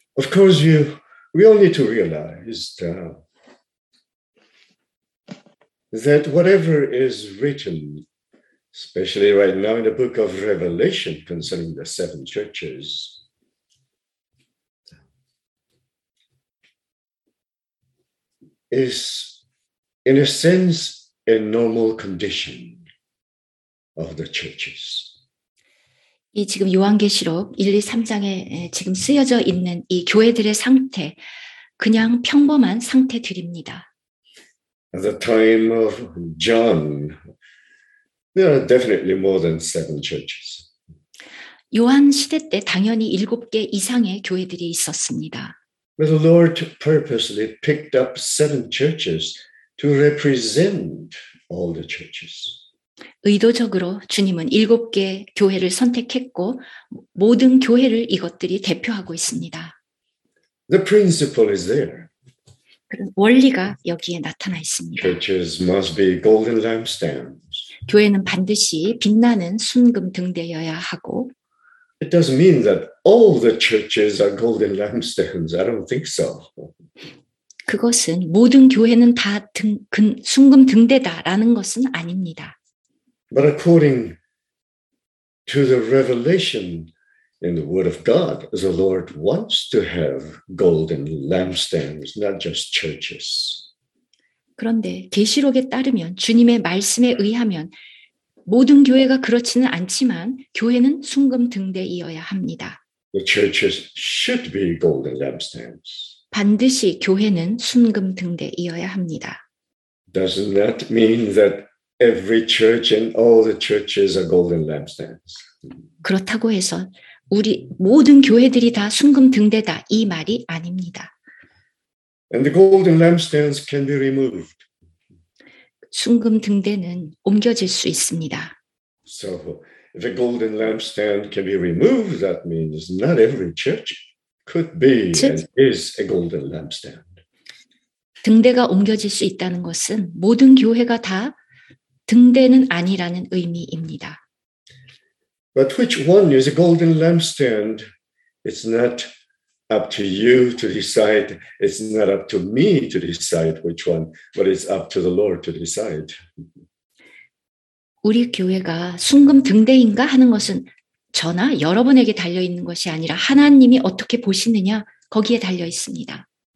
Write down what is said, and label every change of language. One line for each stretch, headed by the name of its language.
English: Of course, we all need to realize that whatever is written, especially right now in the book of Revelation concerning the seven churches, is in a sense a normal condition of the churches.
Korean: 이 지금 요한계시록 1, 2, 3장에 지금 쓰여져 있는 이 교회들의 상태, 그냥 평범한 상태들입니다.
English: At the time of John, there are definitely more than seven churches.
Korean: 요한 시대 때 당연히 7개 이상의 교회들이 있었습니다.
English: But the Lord purposely picked up seven churches to represent all the churches.
Korean: 의도적으로 주님은 7개 교회를 선택했고 모든 교회를 이것들이 대표하고 있습니다.
English: The principle is there.
Korean: 원리가 여기에 나타나 있습니다.
English: Churches must be golden lampstands.
Korean: 교회는 반드시 빛나는 순금 등대여야 하고.
English: It doesn't mean that all the churches are golden lampstands. I don't think so.
Korean: 그것은 모든 교회는 다 순금 등대다라는 것은 아닙니다.
English: But according to the revelation in the Word of God, the Lord wants to have golden lampstands, not just churches.
Korean: 그런데 계시록에 따르면 주님의 말씀에 의하면 모든 교회가 그렇지는 않지만 교회는 순금 등대이어야 합니다.
English: The churches should be golden lampstands.
Korean: 반드시 교회는 순금 등대이어야 합니다.
English: Does that mean that every church and all the churches are golden lampstands?
Korean: 그렇다고 해서 우리 모든 교회들이 다 순금 등대다 이 말이 아닙니다.
English: And the golden lampstands can be removed.
Korean: 순금 등대는 옮겨질 수 있습니다.
English: So if a golden lampstand can be removed, that means not every church could be and is a golden lampstand.
Korean: 등대가 옮겨질 수 있다는 것은 모든 교회가 다 등대는 아니라는 의미입니다.
English: But which one is a golden lampstand? It's not up to you to decide. It's not up to me to decide which one, but it's up to the Lord to decide.
Korean: 우리 교회가 순금 등대인가 하는 것은 저나 여러분에게 달려 있는 것이 아니라 하나님이 어떻게 보시느냐 거기에 달려 있습니다.